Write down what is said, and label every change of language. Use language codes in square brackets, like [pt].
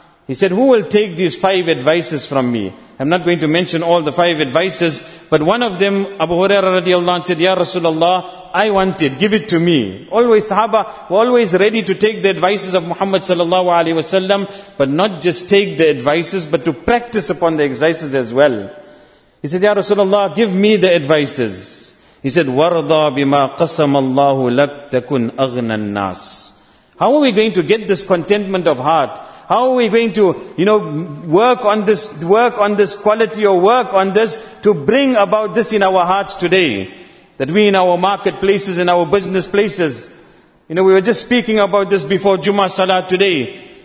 [en] He said, who will take these five advices from me? I'm not going to mention all the five advices, but one of them, Abu Huraira radiallahu anhu, said, ya Rasulullah, I want it, give it to me. Always sahaba were always ready to take the advices of Muhammad sallallahu alayhi wa sallam, but not just take the advices, but to practice upon the advices as well. He said, ya Rasulullah, give me the advices. He said, [ar] وَرْضَى بِمَا قَسَمَ اللَّهُ لَكْ تَكُنْ أَغْنَى النَّاسِ. [en] How are we going to get this contentment of heart? How are we going to, you know, work on this quality or work on this to bring about this in our hearts today? That we in our marketplaces, in our business places, you know, we were just speaking about this before Jummah Salah today.